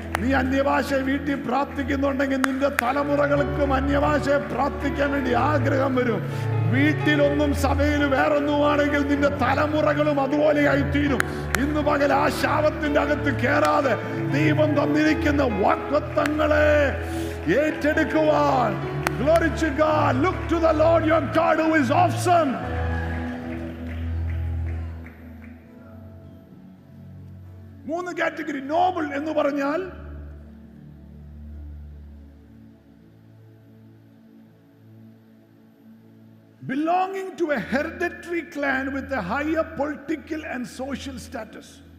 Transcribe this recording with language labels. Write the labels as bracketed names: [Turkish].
[Malayalam] നീ അന്യഭാഷ വീട്ടിൽ പ്രാർത്ഥിക്കുന്നുണ്ടെങ്കിൽ നിന്റെ തലമുറകൾക്കും അന്യഭാഷയെ പ്രാർത്ഥിക്കാൻ വേണ്ടി ആഗ്രഹം വരും. വീട്ടിലൊന്നും സഭയിൽ വേറൊന്നുമാണെങ്കിൽ നിന്റെ തലമുറകളും അതുപോലെ ആയിത്തീരും. ഇന്ന് പകൽ ആ ശാപത്തിന്റെ അകത്ത് കയറാതെ ദൈവം തന്നിരിക്കുന്ന വാഗ്ദത്തങ്ങളെ ഏറ്റെടുക്കുവാൻ. [English] Glory to God. Look to the Lord your God who is awesome. [Malayalam] മൂന്ന് കാറ്റഗറി നോബിൾ എന്ന് പറഞ്ഞാൽ [English] belonging to a hereditary clan with a higher political and social status.